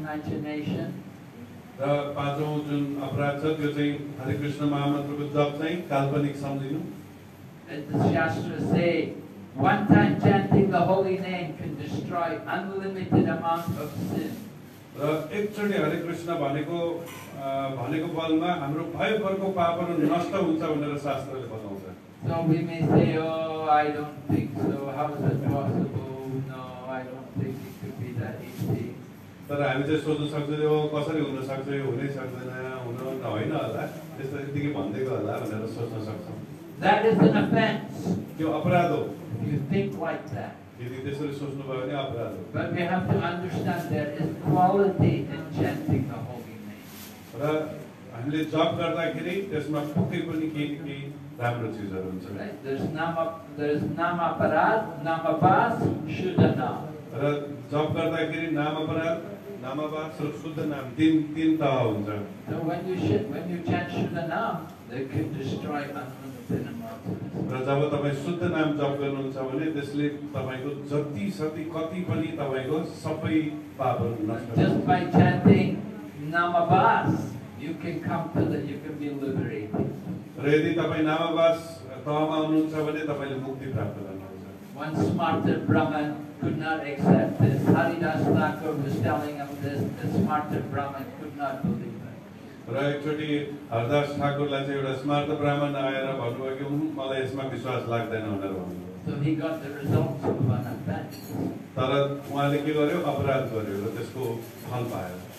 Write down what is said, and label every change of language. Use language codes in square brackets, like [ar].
[ne] र पाँचौँ जुन अपराध छ त्यो चाहिँ हरे कृष्ण महामन्त्रको जप चाहिँ काल्पनिक सम्झिनु. [en] One time chanting the holy name can destroy unlimited amount of sin. [ne] र एकचोटि हरे कृष्ण भनेको बलमा हाम्रो भयभरको पापहरू नष्ट हुन्छ भनेर शास्त्रले बताउँछ. [en] So we may say, oh, I don't think so. How is that possible? No, I don't think it could be that easy. [ne] तर हामी चाहिँ सोच्न सक्छौँ, हो कसरी हुन सक्छ, यो हुनै सक्दैन, हुन त होइन होला, त्यस्तो यतिकै भनिदिएको होला भनेर सोच्न सक्छौँ. [en] That is an offense. [ne] त्यो अपराध हो. [en] You think like that. [ne] यदि त्यसरी सोच्नु भयो भने अपराध हो. [en] But we have to understand there is quality in chanting the holy name. [ne] र हामीले जप गर्दाखेरि त्यसमा पक्कै पनि केही राम्रो चिजहरू हुन्छ. [en] There's nam aparad, nam abas, shuddha nam. [ne] र जप गर्दाखेरि नाम अपराध, नाम अबास र शुद्ध नाम तिन तह हुन्छ. [en] So when you chant shuddha nam, they can destroy unlimited amounts. [ne] र जब तपाईँ शुद्ध नाम जप गर्नुहुन्छ भने त्यसले तपाईँको जति सति कति पनि तपाईँको सबै पापहरू नष्ट. [en] Just by chanting namabas, you can come to the, you can be liberated. [ne] र यदि तपाईँ नामाबास तहमा हुनुहुन्छ भने तपाईँले मुक्ति प्राप्त गर्नुहुन्छ. [en] One smarter Brahman could not accept this. Haridas Thakur was telling him this. The smarter Brahman could not believe. [ne] र एकचोटि हरदास ठाकुरलाई चाहिँ एउटा स्मार्ट ब्राह्मण आएर भन्नुभयो कि मलाई यसमा विश्वास लाग्दैन भनेर भन्नुभयो. तर उहाँले के गर्यो, अपराध गर्यो र त्यसको फल पायो.